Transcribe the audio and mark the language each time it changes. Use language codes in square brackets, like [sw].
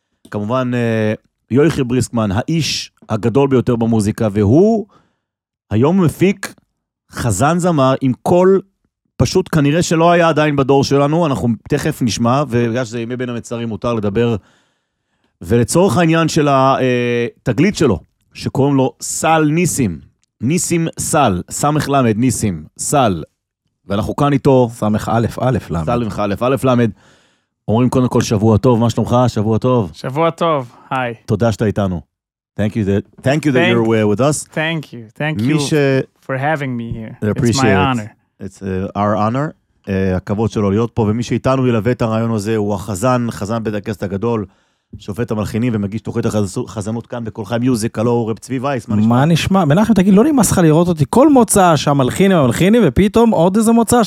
[he] כמובן, יויחי בריסקמן, האיש הגדול ביותר במוזיקה, והוא היום מפיק חזן זמר עם קול פשוט כנראה שלא היה עדיין בדור שלנו, אנחנו תכף נשמע, ובגלל שזה ימי בין המצרים מותר לדבר, ולצורך העניין של התגלית שלו, שקוראים לו סל ניסים, ניסים סל, סמך למד, ניסים, סל, ואנחנו כאן איתו, סמך א' א' למד, סמך א' א' למד, אומרים קודם כל שבוע טוב, מה שלומך? שבוע טוב. שבוע טוב, היי. תודה שאתה איתנו. [en] Thank you that you're aware with us. Thank you for having me here. It's my honor. It's our honor. [he] הכבוד שלו להיות פה, ומי שאיתנו ילווה את הרעיון הזה, הוא החזן, חזן בית הכנסת הגדול, שופט המלחינים ומגיש תוכנית החזנות כאן בכל חי מיוזיק, הלו רב צבי וייס, מה נשמע? מה נשמע? מנחם, תגיד, לא נמאס לך לראות אותי כל מוצא שהמלחינים המלחינים ופתאום עוד איזה מוצא?